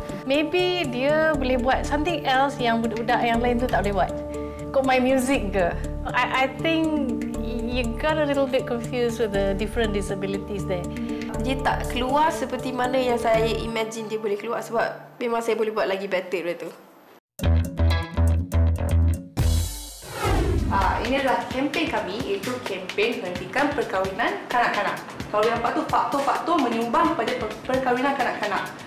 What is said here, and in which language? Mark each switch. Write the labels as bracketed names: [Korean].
[Malay] Maybe dia boleh buat [English] something else [Malay] yang budak-budak yang lain tu tak boleh buat. Kau main music ke? [English] I think you got a little bit confused with the different disabilities there. [Malay] Dia tak keluar seperti mana yang saya imagine dia boleh keluar sebab memang saya boleh buat lagi better daripada tu. Ini adalah kempen kami, iaitu kempen hentikan perkahwinan kanak-kanak. Kalau yang patut faktor-faktor menyumbang pada perkahwinan kanak-kanak.